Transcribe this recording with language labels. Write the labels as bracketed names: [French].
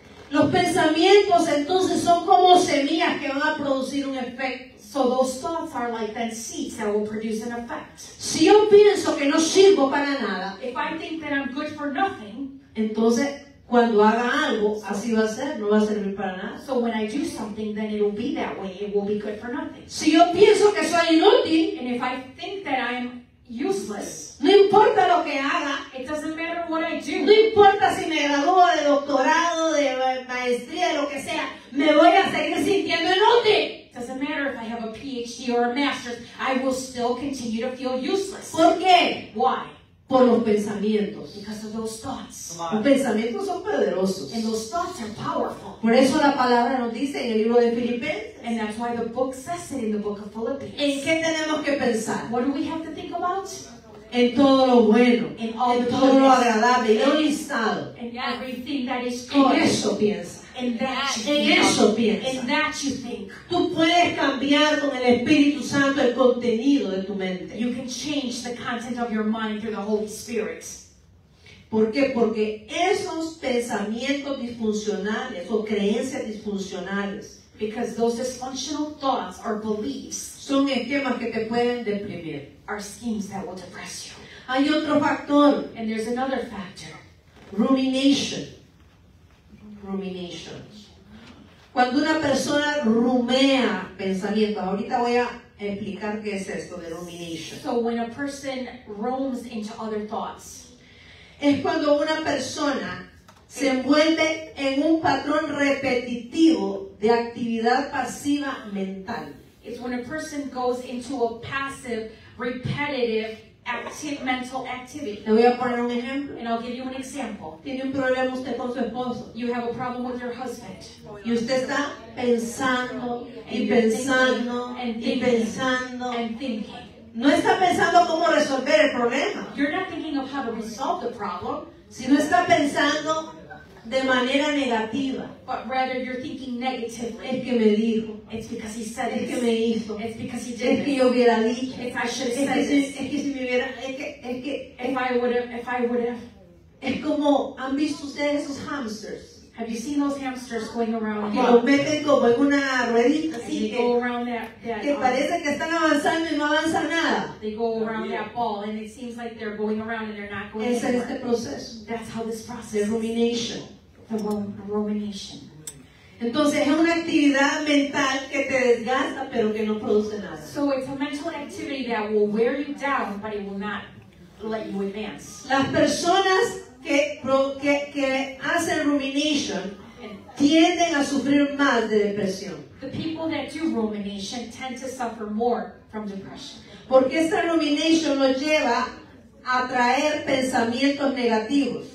[Spanish] Los pensamientos entonces son como semillas que van a producir un efecto. [English] So those thoughts are like then seeds that will produce an effect. [Spanish] Si yo pienso que no sirvo para nada. [English] If I think that I'm good for nothing. [Spanish] Entonces. Cuando haga algo, así va a ser, no va a servir para nada. [English] So when I do something, then it'll be that way. It will be good for nothing. [Spanish] Si yo pienso que soy inútil, [English] and if I think that I'm useless, [Spanish] no importa lo que haga, [English] it doesn't matter what I do. [Spanish] No importa si me gradúo de doctorado, de maestría, de lo que sea, me voy a seguir sintiendo inútil. [English] It doesn't matter if I have a PhD or a master's, I will still continue to feel useless. [Spanish] ¿Por qué? [English] Why? [Spanish] Por los pensamientos. [English] Because of those thoughts. [Spanish] Los pensamientos son poderosos. [English] And those thoughts are powerful. [Spanish] Por eso la palabra nos dice en el libro de Filipenses. [English] And that's why the book says it in the book of Philippians. [Spanish] ¿En qué tenemos que pensar? [English] What do we have to think about? [Spanish] En todo lo bueno. [English] In all [Spanish] en [English] the [Spanish] todo lo agradable. En todo lo listado. [English] In everything that is good. [Spanish] En eso piensa. [English] In that you think. You can change the content of your mind through the Holy Spirit. [Spanish] ¿Por qué? Porque esos pensamientos disfuncionales o creencias disfuncionales, [English] because those dysfunctional thoughts or beliefs, [Spanish] son esquemas que te pueden deprimir. [English] Are schemes that will depress you. [Spanish] Hay otro factor. [English] And there's another factor. Rumination. Ruminations. [Spanish] Cuando una persona rumea pensamientos, ahorita voy a explicar qué es esto de rumination. [English] So when a person roams into other thoughts, [Spanish] es cuando una persona se envuelve en un patrón repetitivo de actividad pasiva mental. [English] It's when a person goes into a passive, repetitive active mental activity. [Spanish] Le voy a poner un ejemplo. [English] And I'll give you an example. [Spanish] Tiene un problema usted con su esposo. [English] You have a problem with your husband. [Spanish] Y usted está pensando y pensando y pensando. [English] And thinking. [Spanish] No está pensando cómo resolver el problema. [English] You're not thinking of how to resolve the problem. [Spanish] Sino está pensando de manera negativa. [English] But rather you're thinking negatively. [Spanish] Es que me dijo. [English] It's because he said it. [Spanish] Es que me hizo. [English] It's because he did. [Spanish] Es que yo hubiera dicho. [English] If I should have said it. [Spanish] Es que si me hubiera. Es que. [English] If I would have. If I would have. [Spanish] Es como han visto ustedes esos hamsters. [English] Have you seen those hamsters going around? [Spanish] Que los meten como en una ruedita. Así que, [English] go around that. [Spanish] Que parece que están avanzando y no avanza nada. [English] They go around that ball and it seems like they're going around and they're not going. [Spanish] Ese es este proceso. [English] That's how this process. The rumination. The rumination. [Spanish] Entonces es una actividad mental que te desgasta pero que no produce nada. [English] So it's a mental activity that will wear you down but it will not let you advance. [Spanish] Las personas que hacen rumination tienden a sufrir más de depresión. [English] The people that do rumination tend to suffer more from depression. [Spanish] Porque esta rumination nos lleva a traer pensamientos negativos.